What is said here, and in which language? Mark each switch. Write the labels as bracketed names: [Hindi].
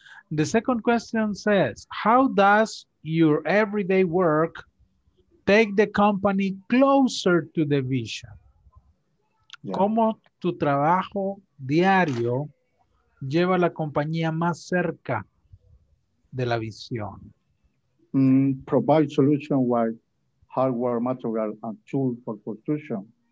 [English] The second question says, how does your everyday work take the company closer to the vision? Yeah. [Spanish] ¿Cómo tu trabajo diario lleva a la compañía más cerca de la visión? [English] Provide solution while hardware, material, and tool for construction.